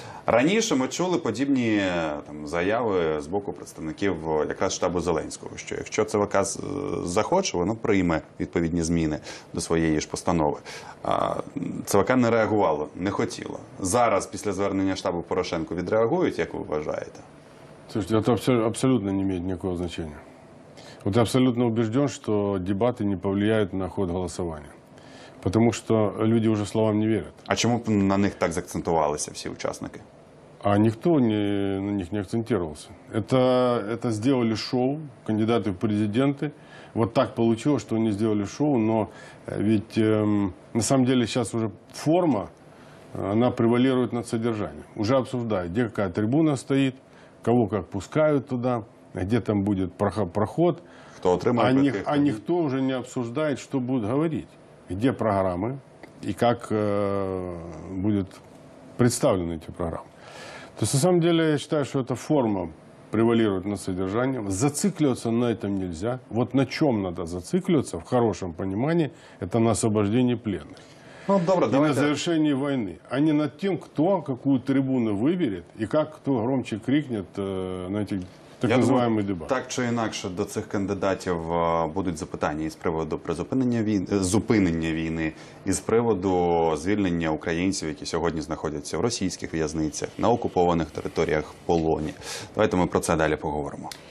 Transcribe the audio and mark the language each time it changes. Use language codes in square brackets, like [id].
[uk] Раніше ми чули подібні там, заяви з боку представників якраз штабу Зеленського, що якщо ЦВК захоче, воно прийме відповідні зміни до своєї ж постанови. ЦВК не реагувало, не хотіло. Зараз, після звернення штабу Порошенко, відреагують, як ви вважаєте? Слушайте, це абсолютно не має ніякого значення. От я абсолютно убежден, що дебати не повлияють на ход голосування. [ru] Потому что люди уже словам не верят. А чему на них так заакцентовались все участники? А никто на них не акцентировался. Это сделали шоу, кандидаты в президенты. Вот так получилось, что они сделали шоу. Но ведь на самом деле сейчас уже форма, она превалирует над содержанием. Уже обсуждают, где какая трибуна стоит, кого как пускают туда, где там будет проход. Кто отримает а никто уже не обсуждает, что будут говорить. Где программы и как будут представлены эти программы. То есть, на самом деле, я считаю, что эта форма превалирует над содержанием. Зацикливаться на этом нельзя. Вот на чем надо зацикливаться, в хорошем понимании, это на освобождении пленных. [uk] Ну, добро, и [ru] давайте. На завершении войны. А не над тем, кто какую трибуну выберет и как кто громче крикнет на этих... [uk] Так називаємо дебат. Так чи інакше, до цих кандидатів будуть запитання із приводу призупинення війни, зупинення війни, із приводу звільнення українців, які сьогодні знаходяться в російських в'язницях, на окупованих територіях полоні. Давайте ми про це далі поговоримо.